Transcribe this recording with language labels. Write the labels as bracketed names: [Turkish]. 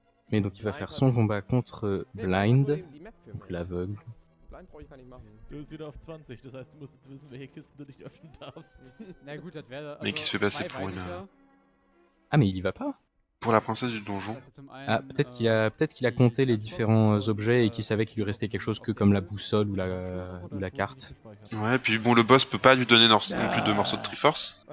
[French] Mais donc il va faire son combat contre Blind, donc l'aveugle. [German] Blind brauche ich gar nicht machen. Du bist wieder auf 20, das heißt, du musst jetzt wissen, welche Kisten du nicht öffnen darfst. [French] Mais qui se fait passer pour une... Ah mais il y va pas. pour la princesse du donjon. Ah, peut-être qu'il a compté les différents objets et qu'il savait qu'il lui restait quelque chose que comme la boussole ou la carte. Ouais, puis bon, le boss peut pas lui donner non plus de morceaux de Triforce.